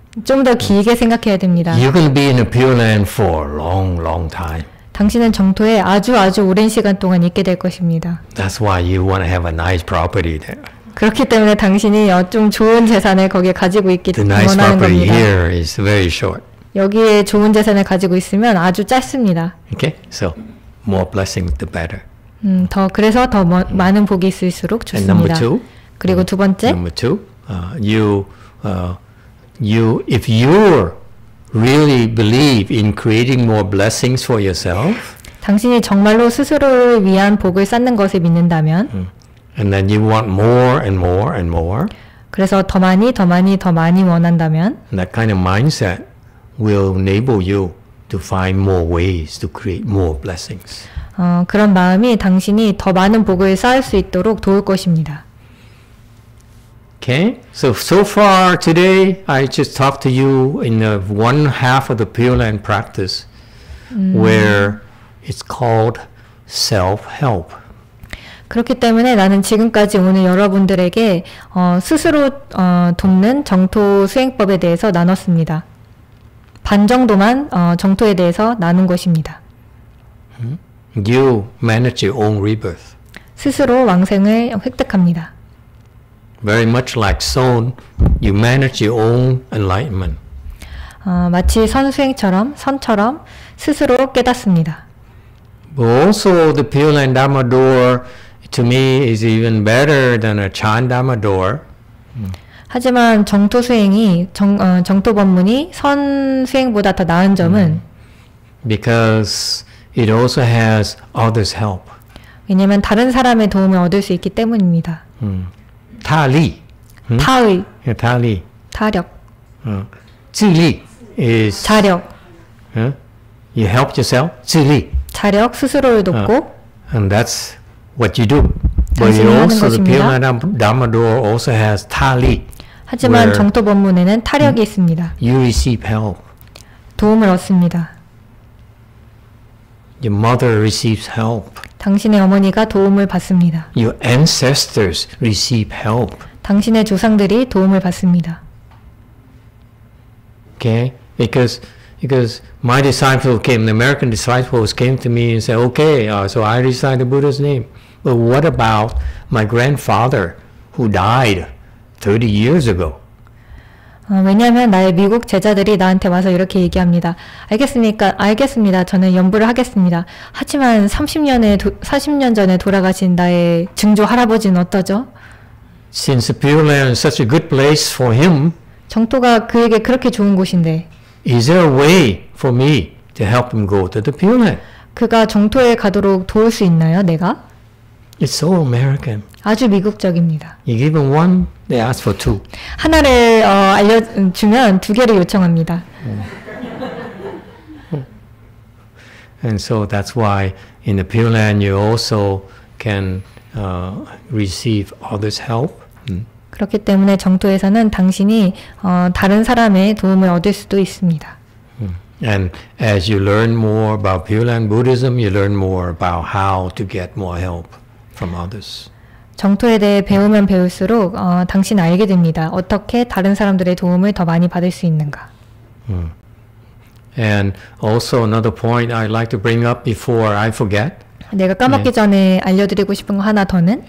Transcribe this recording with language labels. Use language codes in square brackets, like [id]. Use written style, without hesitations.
[ko] 좀 더 길게 생각해야 됩니다. [en] You're going to be in a Pure Land for a long, long time. [ko] 당신은 정토에 아주 아주 오랜 시간 동안 있게 될 것입니다. [en] That's why you want to have a nice property there. [ko] 그렇기 때문에 당신이 좀 좋은 재산을 거기에 가지고 있기 원하는 [en] nice [ko] 겁니다. [en] The nice property here is very short. [ko] 여기에 좋은 재산을 가지고 있으면 아주 짧습니다. [en] Okay, so more blessing the better. [ko] 더 그래서 더 많은 복이 있을수록 좋습니다. [en] And number two. [ko] 그리고 두 번째. [en] Number two, if you really believe in creating more blessings for yourself. [ko] 당신이 정말로 스스로를 위한 복을 쌓는 것을 믿는다면. [en] And then you want more and more and more. [ko] 그래서 더 많이 더 많이 더 많이 원한다면. [en] That kind of mindset will enable you to find more ways to create more blessings. [ko] 그런 마음이 당신이 더 많은 복을 쌓을 수 있도록 도울 것입니다. [en] Okay, so far today I just talked to you in the one half of the Pure Land practice where it's called self-help. [ko] 그렇기 때문에 나는 지금까지 오늘 여러분들에게 스스로 돕는 정토 수행법에 대해서 나눴습니다. 반 정도만 정토에 대해서 나눈 것입니다. [en] You manage your own rebirth. [ko] 스스로 왕생을 획득합니다. [en] Very much like Son, you manage your own enlightenment. [ko] 마치 선처럼 스스로 깨닫습니다. [en] But also the Pure Land Dharma door to me is even better than a Chan Dharma door. [ko] 하지만 정토 수행이 정토 법문이 선 수행보다 더 나은 점은 [en] because it also has others' help. [ko] 왜냐면 다른 사람의 도움을 얻을 수 있기 때문입니다. 타리. 타의. 타리. 타력. 지리 is 자력. [en] You help yourself. 지리. [ko] 자력 스스로를 돕고. [en] And that's what you do. But also the Pure Land Dharma door also has 타리. [ko] 하지만 정토 법문에는 타력이 있습니다. [en] You receive help. [ko] 도움을 얻습니다. [en] Your mother receives help. [ko] 당신의 어머니가 도움을 받습니다. [en] Your ancestors receive help. [ko] 당신의 조상들이 도움을 받습니다. [en] Okay, because my disciples came, the American disciples came to me and said, okay, so I recite the Buddha's name. But what about my grandfather who died 30 years ago? [ko] 왜냐하면 나의 미국 제자들이 나한테 와서 이렇게 얘기합니다. 알겠습니다. 저는 염불을 하겠습니다. 하지만 30년 전에 돌아가신 나의 증조 할아버지는 어떠죠? [en] Since Pure Land is such a good place for him, [ko] 정토가 그에게 그렇게 좋은 곳인데, [en] is there a way for me to help him go to the Pure Land? [ko] 그가 정토에 가도록 도울 수 있나요, 내가? [en] It's so American. [ko] 아주 미국적입니다. [en] You give him one, they ask for two. [ko] 하나를 알려주면 두 개를 요청합니다. [en] And so that's why in the Pure Land you also can receive others' help. [ko] 그렇기 때문에 정토에서는 당신이 다른 사람의 도움을 얻을 수도 있습니다. [en] And as you learn more about Pure Land Buddhism, you learn more about how to get more help. From others. [ko] 정토에 대해 배우면 배울수록 당신 알게 됩니다. 어떻게 다른 사람들의 도움을 더 많이 받을 수 있는가. [en] And also another point I'd like to bring up before I forget. [ko] 내가 까먹기 전에 알려드리고 싶은 거 하나 더는.